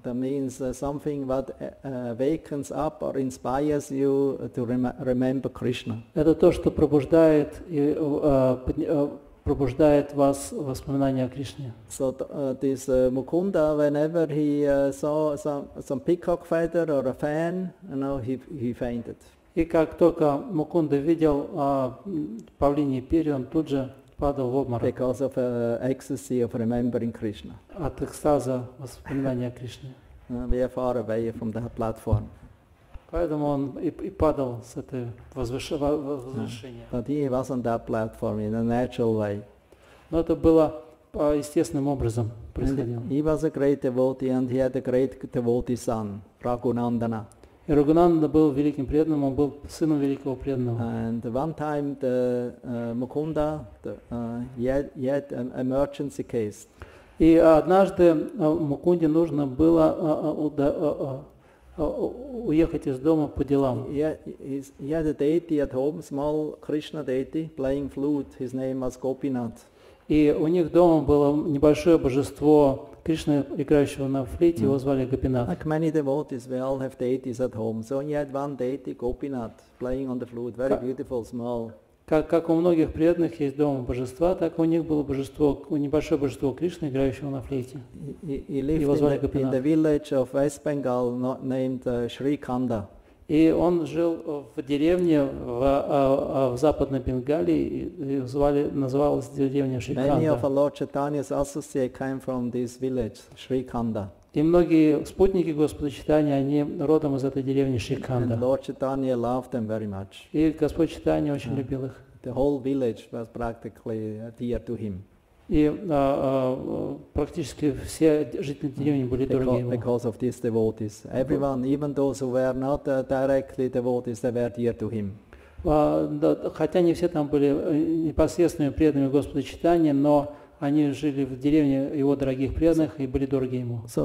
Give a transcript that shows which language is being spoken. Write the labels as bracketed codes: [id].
[en] That means something that wakens up or inspires you to remember Krishna. [ru] Это то, что пробуждает и пробуждает вас воспоминания о Кришне. [en] So this Mukunda, whenever he saw some peacock feather or a fan, you know, he fainted. [ru] И как только Мукунда видел павлиний перья, он тут же падал в обморок. [en] Because of ecstasy of remembering Krishna. [ru] От экстаза воспоминания о Кришне. [en] We are far away from that platform. [ru] Поэтому он и падал с этой возвышения. [en] But he was on that platform in a natural way. [ru] Но это было естественным образом происходило. [en] He was a great devotee and he had a great devotee son, Raghunandana. [ru] И Рагунанда был великим преданным, он был сыном великого преданного. [en] And one time the Mukunda he had an emergency case. [ru] И однажды Мукунде нужно было уехать из дома по делам. [en] He had a deity at home, small Krishna deity, playing flute. His name was Gopinath. [ru] И у них дома было небольшое божество Кришны, играющего на флейте, его звали Гопинат. [en] Like many devotees, we all have deities at home. So he had one deity, Gopinath, playing on the flute, very beautiful, small. Как у многих преданных есть дома божества, так у них было божество, небольшое божество Кришны, играющего на флейте. [ru] Его звали Гопинат. [en] In the village of West Bengal, named Shri Kanda. [ru] И он жил в деревне в Западной Бенгалии, и называлась деревня Шриканда. [en] Many of Lord Chaitanya's associates came from this village, Shrikanda. [ru] И многие спутники Господа Чайтаньи, они родом из этой деревни Шриканда. [en] And Lord Chaitanya loved them very much. [ru] И Господь Чайтанья очень любил их. [en] The whole village was practically dear to him. [ru] И практически все жители деревни были дороги ему. [en] Because of these devotees. Everyone, even those who were not directly devotees, they were dear to him. [ru] Хотя не все там были непосредственными преданными Господа Чайтаньи, но они жили в деревне его дорогих преданных и были дороги ему.